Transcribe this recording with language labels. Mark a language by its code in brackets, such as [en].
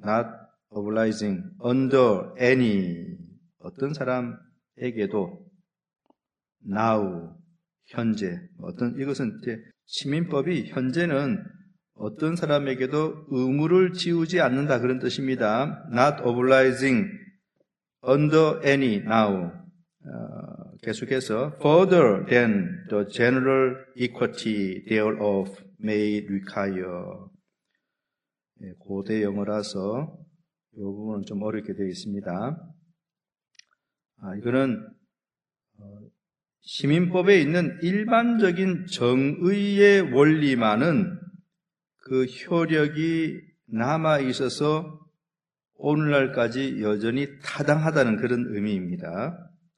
[en] not obliging under any, [ko] 어떤 사람에게도 [en] now, [ko] 현재, 어떤 이것은 이제 시민법이 현재는 어떤 사람에게도 의무를 지우지 않는다 그런 뜻입니다. [en] Not obliging under any now. [ko] 계속해서 [en] further than the general equity thereof may require. [ko] 고대 영어라서 이 부분은 좀 어렵게 되어 있습니다. 이거는 시민법에 있는 일반적인 정의의 원리만은 그 효력이 남아있어서 오늘날까지 여전히 타당하다는 그런 의미입니다.